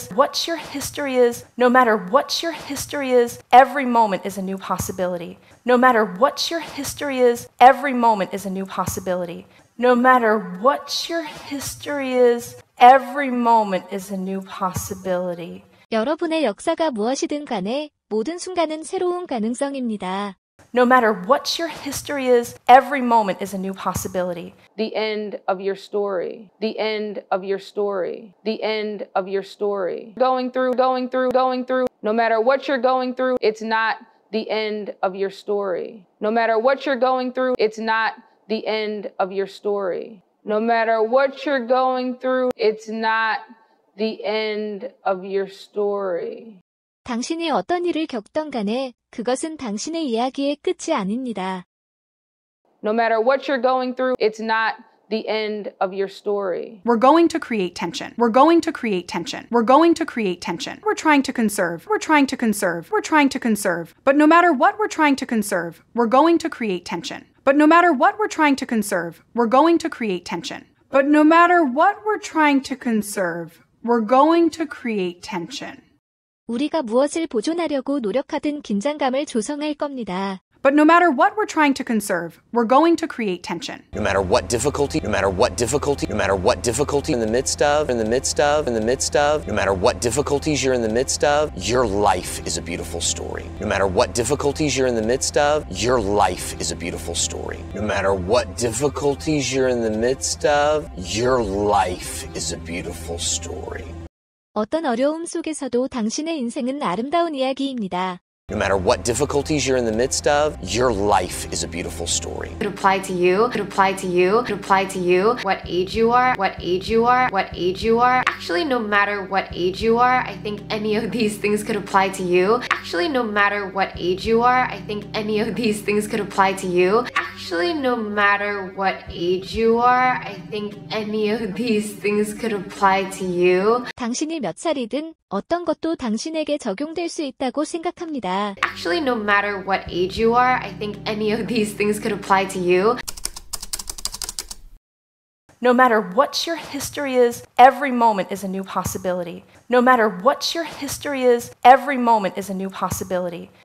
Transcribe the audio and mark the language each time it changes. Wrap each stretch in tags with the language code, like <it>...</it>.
<en>What's your history is, no matter what your history is, every moment is a new possibility. No matter what your history is, every moment is a new possibility. No matter what your history is, every moment is a new possibility.</en> <ko>여러분의 역사가 무엇이든 간에 모든 순간은 새로운 가능성입니다.</ko> <en>No matter what your history is, every moment is a new possibility. The end of your story. Going through. No matter what you're going through, it's not the end of your story. No matter what you're going through, it's not the end of your story. No matter what you're going through, it's not the end of your story.</en> <ko>당신이 어떤 일을 겪던 간에 그것은 당신의 이야기의 끝이 아닙니다.</ko> <en>No matter what you're going through, it's not the end of your story. We're going to create tension. We're going to create tension. We're going to create tension. We're trying to conserve. We're trying to conserve. We're trying to conserve. But no matter what we're trying to conserve, we're going to create tension. But no matter what we're trying to conserve, we're going to create tension. But no matter what we're trying to conserve, we're going to create tension.</en> <ko>우리가 무엇을 보존하려고 노력하든 긴장감을 조성할 겁니다.</ko> <en>But no matter what we're trying to conserve, we're going to create tension. No matter what difficulty, no matter what difficulty, no matter what difficulty in the midst of, in the midst of, in the midst of, no matter what difficulties you're in the midst of, your life is a beautiful story. No matter what difficulties you're in the midst of, your life is a beautiful story. No matter what difficulties you're in the midst of, your life is a beautiful story.</en> <ko>어떤 어려움 속에서도 당신의 인생은 아름다운 이야기입니다.</ko> <en>No matter what difficulties you're in the midst of, your life is a beautiful story. Could apply to you, could apply to you, could apply to you. What age you are, what age you are, what age you are. Actually, no matter what age you are, I think any of these things could apply to you. Actually, no matter what age you are, I think any of these things could apply to you. Actually, no matter what age you are, I think any of these things could apply to you.</en> <ko>당신이 몇 살이든 어떤 것도 당신에게 적용될 수 있다고 생각합니다.</ko> <en>Actually, no matter what age you are, I think any of these things could apply to you. No matter what your history is, every moment is a new possibility. No matter what your history is, every moment is a new possibility.</en>